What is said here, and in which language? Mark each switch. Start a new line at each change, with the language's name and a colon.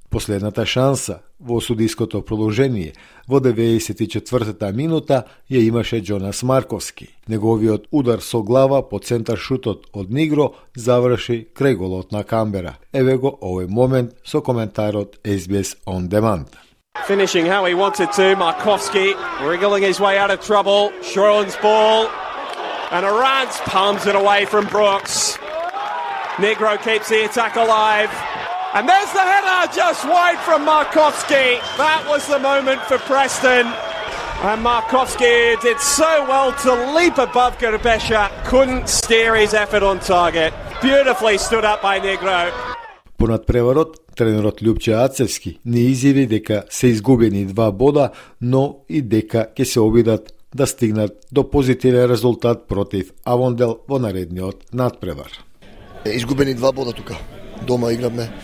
Macedonian: Последната шанса во судиското продолжение во 94-та минута ја имаше Джонас Марковски. Неговиот удар со глава по центар шутот од Нигро заврши крај голот на Камбера. Еве го овој момент со коментарот SBS On Demand.
English: Finishing how he wanted to, Markovsky wriggling his way out of trouble. Shorland's ball, and Arantz palms it away from Brooks. Negro keeps the attack alive, and there's the header just wide from Markovsky. That was the moment for Preston, and Markovsky did so well to leap above Gerbesha, couldn't steer his effort on target. Beautifully stood up by Negro.
Macedonian: Понад преварот, тренерот Лјупче Ацевски не изјави дека се изгубени два бода, но и дека ќе се обидат да стигнат до позитивен резултат против Авондел во наредниот надпревар. Изгубени два бода тука. Дома играме.